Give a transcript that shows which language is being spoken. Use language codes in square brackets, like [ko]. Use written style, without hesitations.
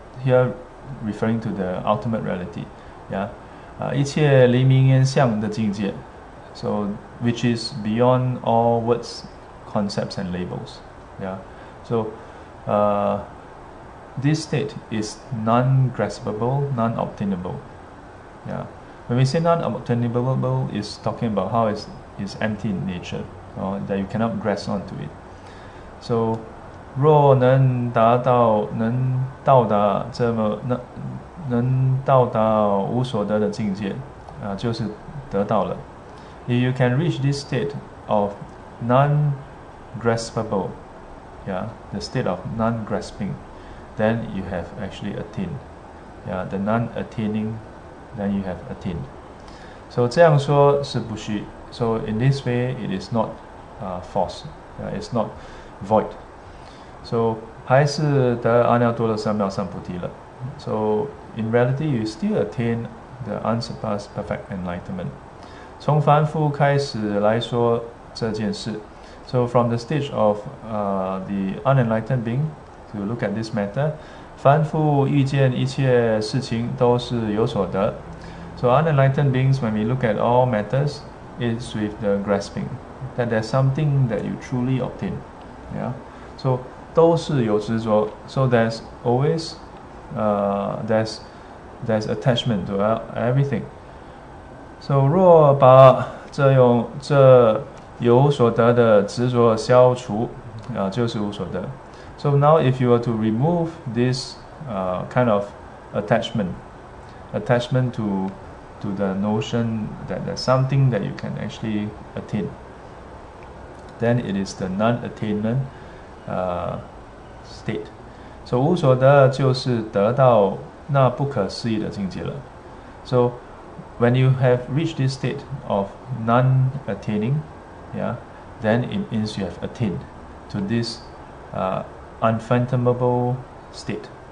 [en] Here, referring to the ultimate reality, yeah, [zh] 一切黎明烟相的境界, [en] so which is beyond all words, concepts, and labels, yeah. So, this state is non-graspable, non-obtainable, yeah. When we say non-obtainable, it's talking about how it's empty in nature, or that you cannot grasp onto it. [zh] So, 若能达到无所得的境界, 就是得到了. [en] If you can reach this state of non-graspable, yeah, the state of non-grasping, then you have actually attained. Yeah, the non-attaining, then you have attained. [zh] So 这样说是不虚. [en] So in this way, it is not false. It's not void. [zh] So 还是得阿耨多罗三藐三菩提了. [en] So in reality, you still attain the unsurpassed perfect enlightenment. [zh] 从凡夫开始来说这件事. [en] So from the stage of the unenlightened being, to look at this matter, [zh] 凡夫遇见一切事情都是有所得. [en] So unenlightened beings, when we look at all matters, it's with the grasping, that there's something that you truly obtain. Yeah. So [zh] 都是有执着, [en] so there's always there's attachment to everything. [zh] So 若把这有所得的执着消除, 就是无所得. [en] So now if you were to remove this kind of attachment to the notion that there's something that you can actually attain, then it is the non-attainment state. [zh] So 无所得就是得到那不可思议的境界了. [en] So when you have reached this state of non-attaining, yeah, then it means you have attained to this unfathomable state.